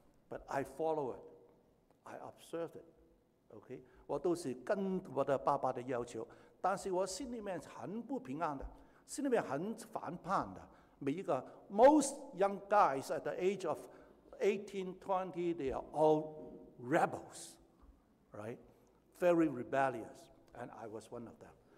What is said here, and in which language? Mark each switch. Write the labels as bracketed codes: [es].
[en] But I follow it, I observe it, okay? [zh] 我都是跟我的爸爸的要求，但是我心里面很不平安的，心里面很反叛的。 [en] Most young guys at the age of 18, 20, they are all rebels, right? Very rebellious, and I was one of them.